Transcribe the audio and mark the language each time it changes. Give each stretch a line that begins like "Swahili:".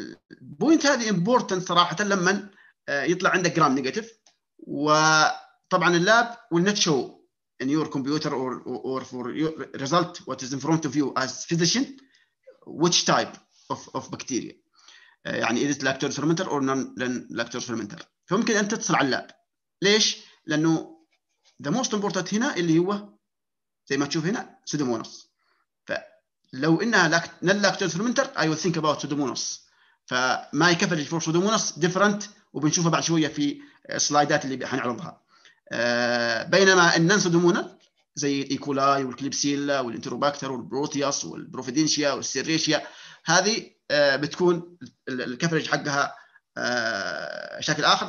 Arabic: البوينت هذه امبورتنت صراحه لما يطلع عندك جرام نيجاتيف، وطبعا اللاب
English: will not show in your computer or for your result what is in front of you as physician which type of bacteria. يعني is it lactose fermenter or non lactose fermenter.
Arabic: فممكن انت تتصل على اللاب. ليش؟ لانه
English: the most important
Arabic: هنا اللي هو زي ما تشوف هنا سودومونس. فلو انها
English: non lactose fermenter I will think about pseudomonas.
Arabic: فما يكفل الفور سودومونس different، وبنشوفها بعد شويه في السلايدات اللي حنعرضها. بينما النان سودومونال زي الايكولاي والكليبسيلا والانتروباكتر والبروتياس والبروفيدينشيا والسيريشيا، هذه بتكون الكفرج حقها شكل اخر.